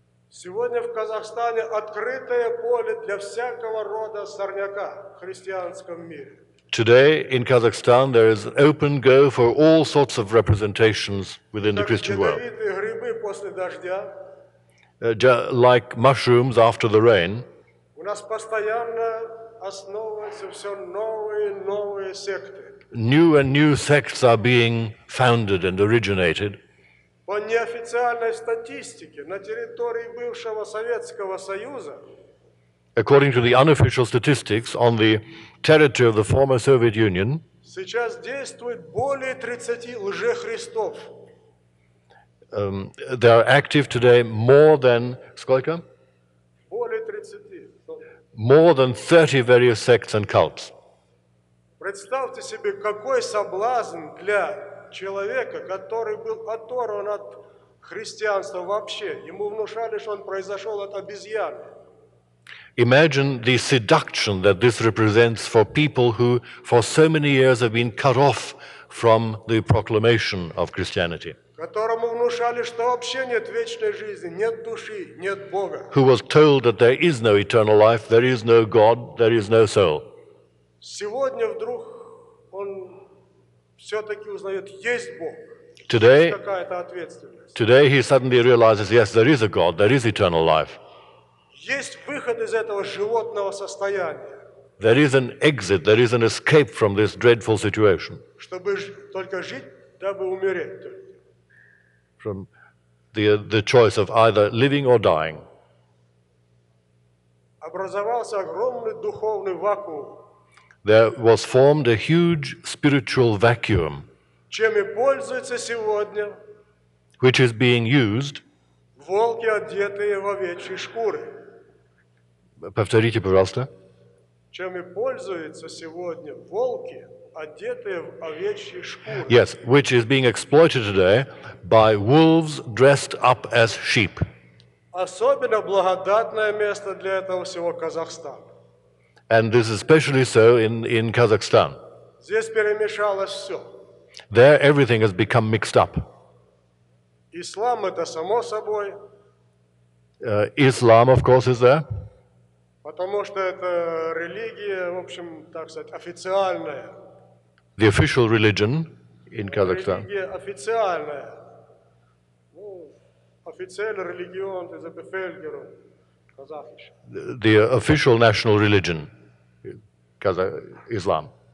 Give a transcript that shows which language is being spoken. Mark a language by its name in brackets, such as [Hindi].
[Russian] Сегодня в Казахстане открытое поле для всякого рода сорняка в христианском мире. [English] Today in Kazakhstan there is open go for all sorts of representations within the Christian world. [Russian] Грибы после дождя, [English] like mushrooms after the rain. [Russian] У нас постоянно основываются все новые и новые секты. [English] New and new sects are being founded and originated. [Russian] По неофициальной статистике на территории бывшего Советского Союза, [English] according to the unofficial statistics on the territory of the former Soviet Union, [Russian] Сейчас действует более 30 лжехристов. [English] They are active today more than [Russian] сколько? Более 30. [English] More than 30 various sects and cults. [Russian] Представьте себе, какой соблазн для человека, который был оторван от христианства вообще. Ему внушали, что он произошел от обезьяны. [English] Imagine the seduction that this represents for people who, for so many years, have been cut off from the proclamation of Christianity. [Russian] Которому внушали, что вообще нет вечной жизни, нет души, нет Бога. [English] Who was told that there is no eternal life, there is no God, there is no soul. [Russian] Сегодня вдруг он все-таки узнает, есть Бог. [English] Today, [Russian] есть какая-то ответственность. [English] Today he suddenly realizes, yes, there is a God, there is eternal life. [Russian] Есть выход из этого животного состояния. [English] There is an exit, there is an escape from this dreadful situation. [Russian] Чтобы только жить, дабы умереть. [English] From the choice of either living or dying. [Russian] Образовался огромный духовный вакуум. [English] There was formed a huge spiritual vacuum. [Russian] Чем и пользуется сегодня? [English] Which is being used. [Russian] Волки, одетые в овечьи шкуры. Повторите, пожалуйста. Чем и пользуются сегодня волки, одетые в овечьи шкуры? [English] Yes, which is being exploited today by wolves dressed up as sheep. [Russian] Особенно благодатное место для этого всего Казахстан. [English] And this is especially so in Kazakhstan. [Russian] Здесь перемешалось все. [English] There everything has become mixed up. [Russian] Ислам это само собой. [English] Islam, of course, is there. [Russian] Потому что это религия, в общем, так сказать, официальная. [English] The official religion in Kazakhstan. [Russian] Религия официальная. Ну, официальная религион, это за Бефельгеру, казахиш. [English] The official national religion, Islam.